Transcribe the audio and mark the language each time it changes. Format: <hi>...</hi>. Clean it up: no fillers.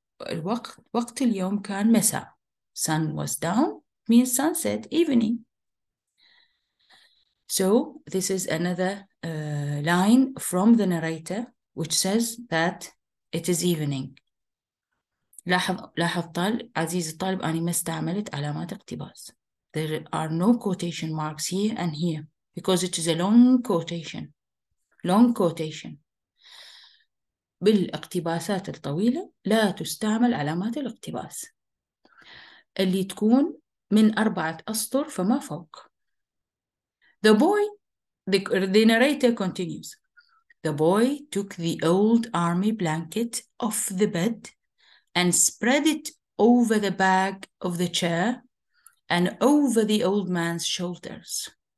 <en>الوقت وقت اليوم كان مساء.</en> <ar>Sun was down means sunset, evening. So this is another line from the narrator which says that it is evening. لاحظ طالب عزيز الطالب أني ما استعملت علامات اقتباس.</ar> <en>There are no quotation marks here and here because it is a long quotation.</en> <ar>بالاقتباسات الطويلة لا تستعمل علامات الاقتباس اللي تكون من أربعة أسطر فما فوق.</ar> <en>The boy, the narrator continues. The boy took the old army blanket off the bed and spread it over the back of the chair and over the old man's shoulders.</en>